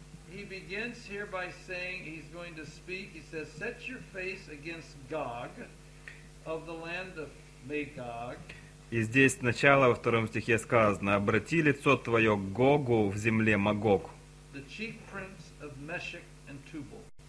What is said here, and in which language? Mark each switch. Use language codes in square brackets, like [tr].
[en] He begins here by saying he's going to speak. He says, "Set your face against Gog of the land of Magog." [ru] И здесь сначала во втором стихе сказано: "Обрати лицо твое к Гогу в земле Магог." [en] The chief prince of Meshech and Tubal.